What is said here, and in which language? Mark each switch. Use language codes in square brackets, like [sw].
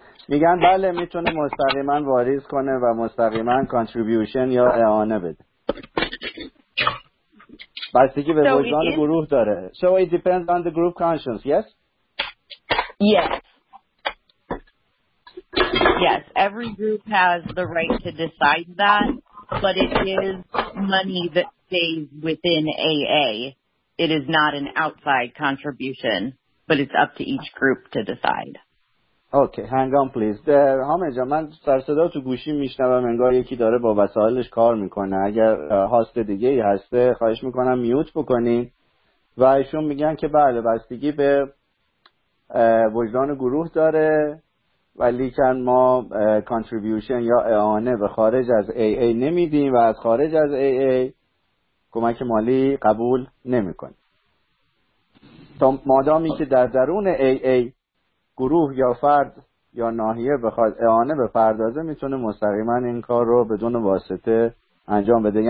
[fa] میگن بله میتونه مستقیما واریز کنه و مستقیما کانتریبیوشن یا اعانه بده. بستگی به وجدان گروه داره. [en] So it depends on the group conscience, yes? Yes. Yes, every group has the right to decide that, but it is money that stays within AA. It is not an outside contribution, but it's up to each group to decide. Okay hang on please. [fa] حامد جان من سر صدا تو گوشی میشنوم انگار یکی داره با وسایلش کار میکنه. اگر هاست دیگه ای هسته خواهش میکنم میوت بکنین. و ایشون میگن که بله بستگی به وجدان گروه داره و لیکن ما کانتریبیوشن یا اعانه به خارج از AA نمیدیم و از خارج از AA کمک مالی قبول نمیکنیم تا مادامی که در درون AA گروه یا فرد یا ناحیه بخواد اعانه به پردازه میتونه مستقیما این کار رو بدون واسطه انجام بده.